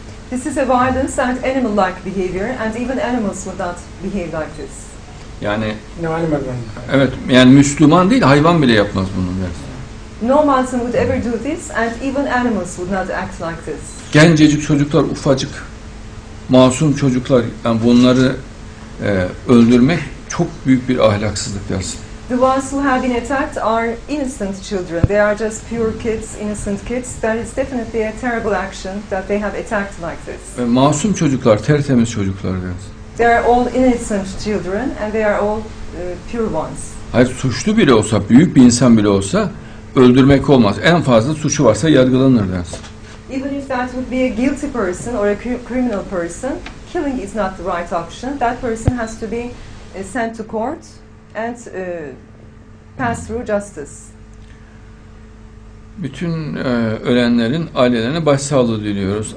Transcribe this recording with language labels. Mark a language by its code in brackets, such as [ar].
[en] This is a violence and animal-like behavior and even animals would not behave like this. [tr] Yani [en] no animal. [tr] Evet, yani Müslüman değil hayvan bile yapmaz bunu dersin. [en] No Muslim would ever do this and even animals would not act like this. [tr] Gencecik çocuklar, ufacık masum çocuklar yani bunları öldürmek çok büyük bir ahlaksızlık dersin. [en] The ones who have been attacked are innocent children. They are just pure kids, innocent kids. That is definitely a terrible action that they have attacked like this. [tr] Masum çocuklar, tertemiz çocuklar deriz. [en] They are all innocent children and they are all pure ones. [tr] Hayır, suçlu bile olsa, büyük bir insan bile olsa öldürmek olmaz. En fazla suçu varsa yargılanır deriz. [en] Even if that would be a guilty person or a criminal person, killing is not the right option. That person has to be sent to court. And pass through justice. [tr] Bütün ölenlerin ailelerine başsağlığı diliyoruz.